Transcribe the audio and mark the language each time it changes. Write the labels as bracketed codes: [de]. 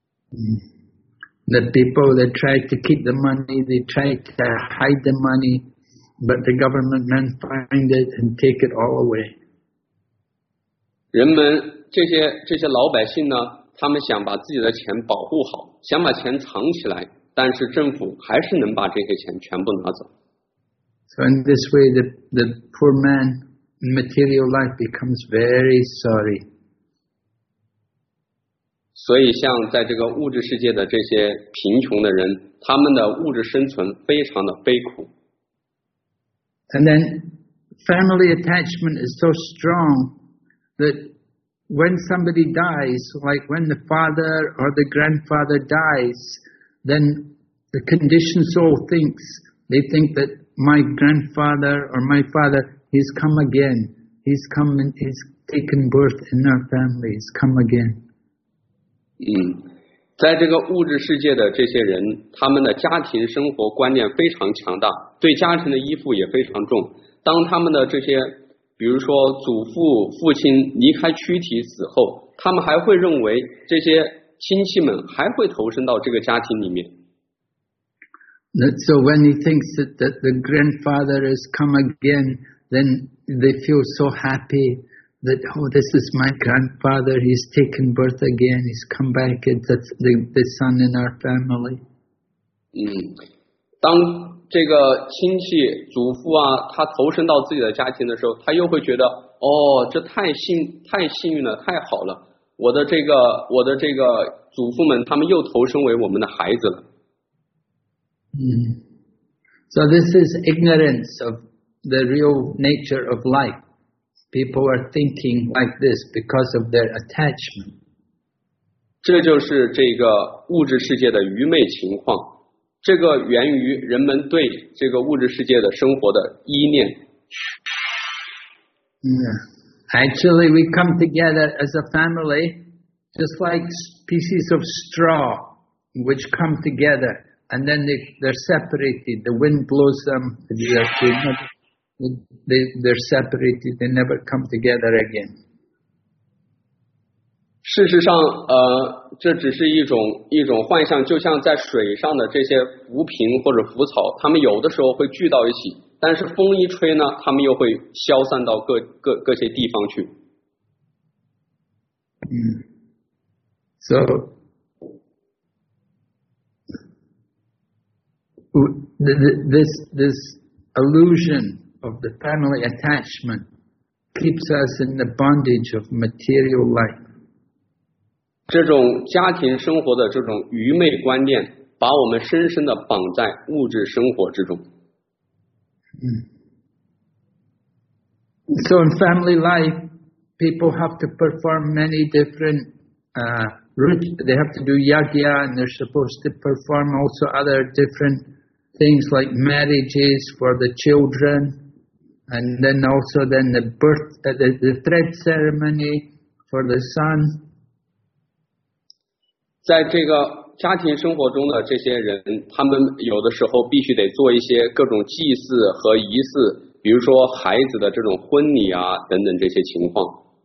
[en] The people that try to keep the money, they try to hide the money, but the government men find it and take it all away. [zh] 人们这些老百姓呢，他们想把自己的钱保护好，想把钱藏起来，但是政府还是能把这些钱全部拿走。 [en] So in this way, the poor man in material life becomes very sorry. [zh] 所以像在这个物质世界的这些贫穷的人，他们的物质生存非常的悲苦。 [en] And then family attachment is so strong. That when somebody dies, like when the father or the grandfather dies, then the conditioned soul thinks, they think that my grandfather or my father, he's come again. He's come and he's taken birth in our family, he's come again. [zh] 在这个物质世界的这些人，他们的家庭生活观念非常强大，对家庭的依附也非常重。当他们的这些比如说祖父父亲离开躯体死后，他们还会认为这些亲戚们还会投身到这个家庭里面。 [en] So when he thinks that the grandfather has come again, then they feel so happy that, oh, this is my grandfather, he's taken birth again, he's come back, and that's the son in our family. [zh] 当这个亲戚祖父啊他投身到自己的家庭的时候，他又会觉得，哦，这太幸运了，太好了，我的这个祖父们他们又投身为我们的孩子了。 [en] So this is ignorance of the real nature of life. People are thinking like this because of their attachment. [zh] 这就是这个物质世界的愚昧情况，这个源于人们对这个物质世界的生活的依恋。 [en] Actually, we come together as a family just like pieces of straw which come together. And then they're separated. The wind blows them. They're separated. They never come together again. [zh] 事实上，这只是一种幻象，就像在水上的这些浮萍或者浮草，它们有的时候会聚到一起，但是风一吹呢，它们又会消散到各些地方去。 [en] So. This illusion of the family attachment keeps us in the bondage of material life. [zh] 这种家庭生活的这种愚昧观念把我们深深地绑在物质生活之中。 [en] So in family life, people have to perform many different they have to do yagya, and they're supposed to perform also other differentthings like marriages for the children, and then also then the birth, the thread ceremony for the son. [zh] 在这个家庭生活中的这些人，他们有的时候必须得做一些各种祭祀和仪式，比如说孩子的这种婚礼啊等等这些情况。